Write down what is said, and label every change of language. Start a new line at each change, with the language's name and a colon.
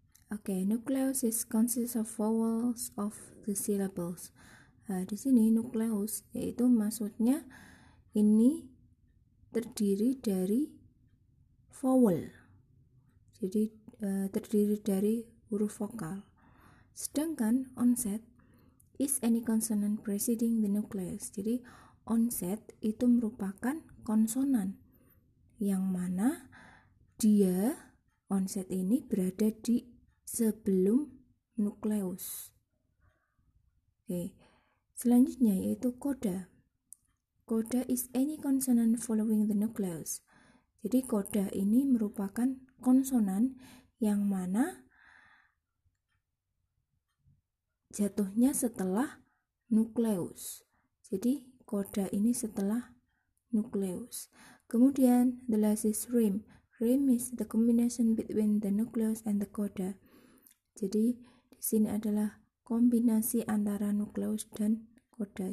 English: Okay, nucleus is consists of vowels of the syllables.
Indonesian: Di sini nucleus yaitu maksudnya ini terdiri dari vowel, jadi terdiri dari huruf vokal. Sedangkan onset
English: is any consonant preceding the nucleus.
Indonesian: Jadi onset itu merupakan konsonan yang mana dia onset ini berada di sebelum nukleus. Oke, selanjutnya yaitu koda.
English: Koda is any consonant following the nucleus.
Indonesian: Jadi koda ini merupakan konsonan yang mana jatuhnya setelah nukleus. Jadi koda ini setelah nukleus.
English: Kemudian the last is rim. Rim is the combination between the nucleus and the coda.
Indonesian: Jadi di sini adalah kombinasi antara nukleus dan coda.